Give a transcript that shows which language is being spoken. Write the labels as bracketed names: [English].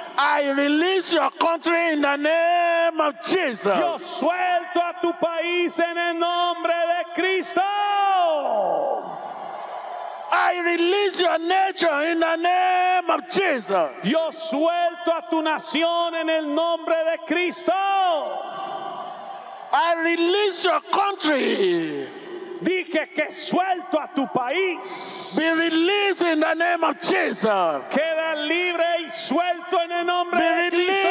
[English] I release your country in the name of Jesus. [Spanish] Yo suelto a tu país en el nombre de Cristo. [English] I release your nature in the name of Jesus. [Spanish] Yo suelto a tu nación en el nombre de Cristo. [English] I release your country. [Spanish] Dije que suelto a tu país. [English] Be released in the name of Jesus. [Spanish] Queda libre y suelto en el nombre de Cristo.